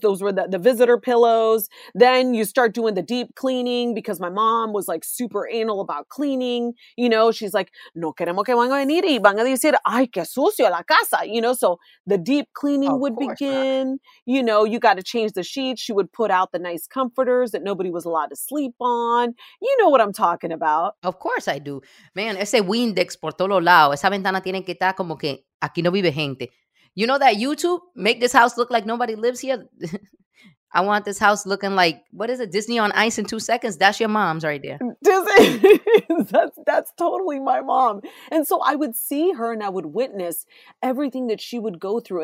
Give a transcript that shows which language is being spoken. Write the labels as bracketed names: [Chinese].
[English] Those were the visitor pillows. Then you start doing the deep cleaning because my mom was like super anal about cleaning. You know, she's like, [Spanish] no queremos que van a venir y van a decir, ay, que sucio la casa. [English] You know, so the deep cleaning would begin. You know, you got to change the sheets. She would put out the nice comforters that nobody was allowed to sleep on. You know what I'm talking about. Of course I do. Man, [Spanish] ese Windex por todos lados. Esa ventana tiene que estar como que aquí no vive gente. [English] You know that YouTube, make this house look like nobody lives here? I want this house looking like, what is it? Disney on Ice in 2 seconds. That's your mom's right there. Disney. that's totally my mom. And so I would see her and I would witness everything that she would go through.